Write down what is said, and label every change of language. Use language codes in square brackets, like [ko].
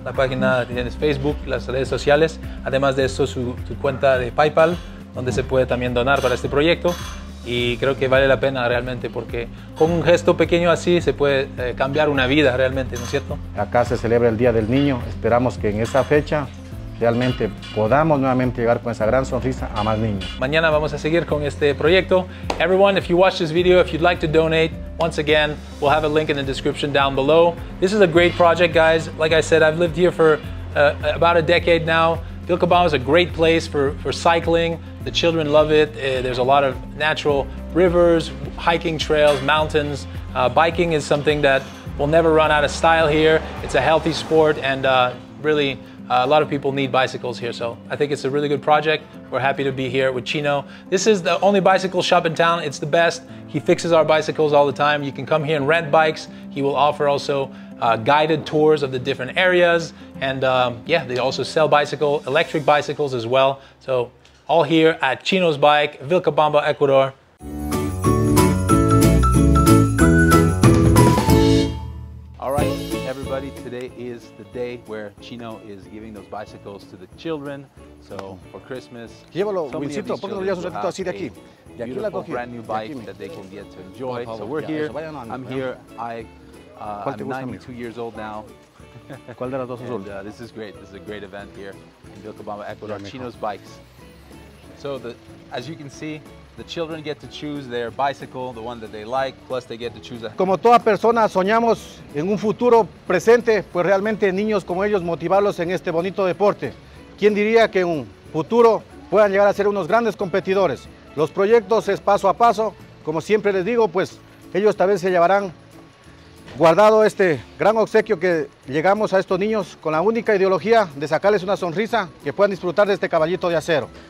[es] La página tienes Facebook, las redes sociales, además de eso su cuenta de PayPal, donde se puede también donar para este proyecto. Y creo que vale la pena realmente, porque con un gesto pequeño así se puede cambiar una vida realmente, ¿no es cierto? Acá se celebra el Día del Niño. Esperamos que en esa fecha realmente podamos nuevamente llegar con esa gran sonrisa a más niños. Mañana vamos a seguir con este proyecto. [en] Everyone, if you watch this video, if you'd like to donate, once again, we'll have a link in the description down below. This is a great project, guys. Like I said, I've lived here for about a decade now. Vilcabamba is a great place for cycling. The children love it. There's a lot of natural rivers, hiking trails, mountains. Biking is something that will never run out of style here. It's a healthy sport, and really, a lot of people need bicycles here. So I think it's a really good project. We're happy to be here with Chino. This is the only bicycle shop in town. It's the best. He fixes our bicycles all the time. You can come here and rent bikes. He will offer also guided tours of the different areas. And yeah, they also sell electric bicycles as well. So all here at Chino's Bike, Vilcabamba, Ecuador. All right, everybody, today is the day where Chino is giving those bicycles to the children. So for Christmas, [es] llévalo, Wilcito, ponte los días un ratito así de aquí. [en] A beautiful brand new bike that they can get to enjoy. No, so we're here, I'm here. I'm 92 years old now. [es] ¿Cuál de las dos azul? [en] This is great. This is a great event here in Vilcabamba, Ecuador. Chino's Bikes. So as you can see, the children get to choose their bicycle, the one that they like, plus they get to choose a... [es] Como toda persona soñamos en un futuro presente, pues realmente niños como ellos motivarlos en este bonito deporte. ¿Quién diría que en un futuro puedan llegar a ser unos grandes competidores? Los proyectos es paso a paso. Como siempre les digo, pues ellos tal vez se llevarán guardado este gran obsequio que llegamos a estos niños con la única ideología de sacarles una sonrisa, que puedan disfrutar de este caballito de acero.